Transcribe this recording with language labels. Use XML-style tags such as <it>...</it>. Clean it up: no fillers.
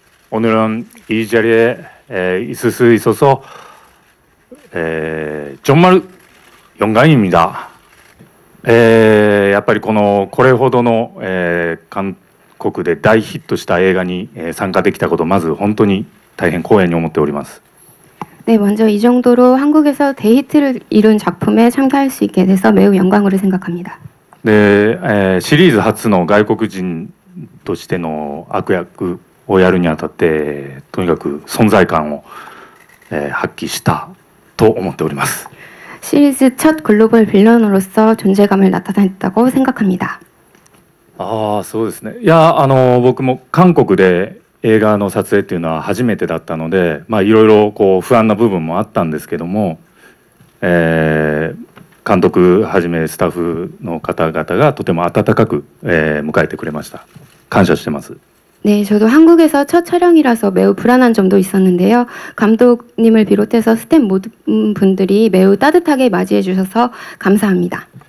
<ko>오늘은 이 자리에 있을 수 있어서 정말 영광입니다.</ko> <ja>やっぱりこのこれほどの韓国で大ヒットした映画に参加できたこと、まず本当に大変光栄に思っております。</ja> <ko>네, 먼저 이 정도로 한국에서 대히트를 이룬 작품에 참가할 수 있게 돼서 매우 영광으로 생각합니다. 네, 시리즈</ko> <ja>初の 外国人としての悪役をやるにあたって、とにかく存在感を発揮したと思っております。</ja> <ko>시리즈 첫 글로벌 빌런으로서 존재감을 나타냈다고 생각합니다.</ko> <ja>아, そうですね. いや、僕も韓国で 映画の撮影っていうのは初めてだったので、まあいろいろこう不安な部分もあったんですけども、監督はじめスタッフの方々がとても温かく迎えてくれました。感謝してます。</ja> <ko>네, 저도 한국에서 첫 촬영이라서 매우 불안한 점도 있었는데요. 감독님을 비롯해서 스텝 모든 분들이 매우 따뜻하게 맞이해 주셔서 감사합니다.</ko>